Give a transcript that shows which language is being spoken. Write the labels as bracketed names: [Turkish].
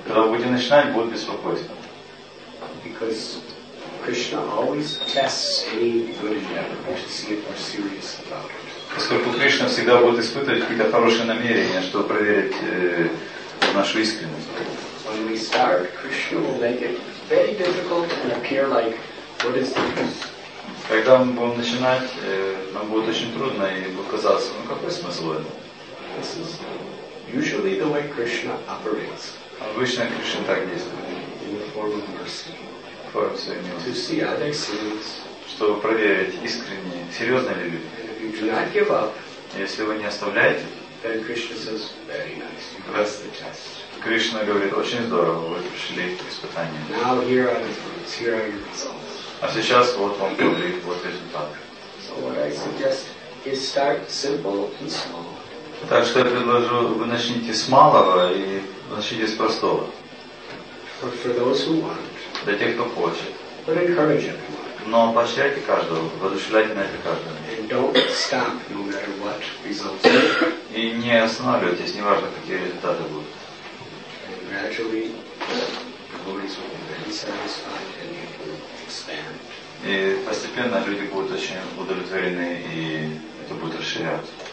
[Russian] Когда вы будете начинать, будет беспокойство. [English] Because Krishna always tests any good endeavor to see if we're serious about it. [Russian] Поскольку Кришна всегда будет испытывать какие-то хорошие намерения, чтобы проверить нашу искренность. [English] When we start, Krishna will make it very difficult and appear like, what is the use? [Russian] Когда мы будем начинать, нам будет очень трудно и будет казаться, ну какой смысл в этом? [English] This is usually the way Krishna operates. [Russian] Обычно Кришна так действует. [English] In the form of mercy. Form of mercy. To see are they serious? [Russian] Чтобы проверить искренне, серьезно ли люди. [English] If you do not give up, [Russian] если вы не оставляете, [English] then Krishna says, very nice. You passed the test. [Russian] Кришна говорит, очень здорово, вы прошли испытание. [English] Now here are the fruits. Here are your results. [Russian] А сейчас вот вам плоды, вот результаты. [English] So what I suggest is start simple and small. [Russian] Так что я предложу, вы начните с малого и начните с простого. [English] But for those who want. [Russian] Для тех, кто хочет. [English] But encourage everyone. [Russian] Но поощряйте каждого, воодушевляйте на это каждого. [English] And don't stop, no matter what results are. [Russian] И не останавливайтесь, неважно, какие результаты будут. [English] And gradually, the devotees will be very satisfied and you will expand. [Russian] И постепенно люди будут очень удовлетворены, и это будет расширяться.